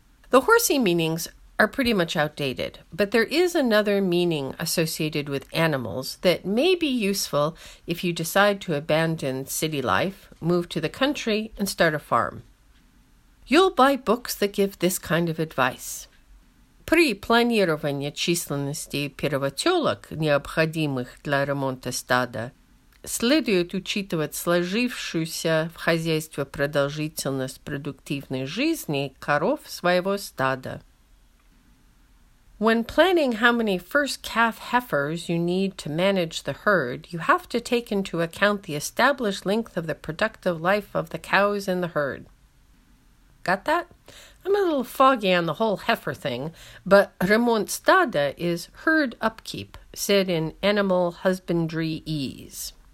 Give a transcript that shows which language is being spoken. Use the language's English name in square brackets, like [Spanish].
[English] The horsey meanings are pretty much outdated, but there is another meaning associated with animals that may be useful if you decide to abandon city life, move to the country, and start a farm. You'll buy books that give this kind of advice. [Russian] При планировании численности первотелок, необходимых для ремонта стада, следует учитывать сложившуюся в хозяйстве продолжительность продуктивной жизни коров своего стада. [English] When planning how many first calf heifers you need to manage the herd, you have to take into account the established length of the productive life of the cows in the herd. Got that? I'm a little foggy on the whole heifer thing, but remont stada is herd upkeep, said in animal husbandry ease.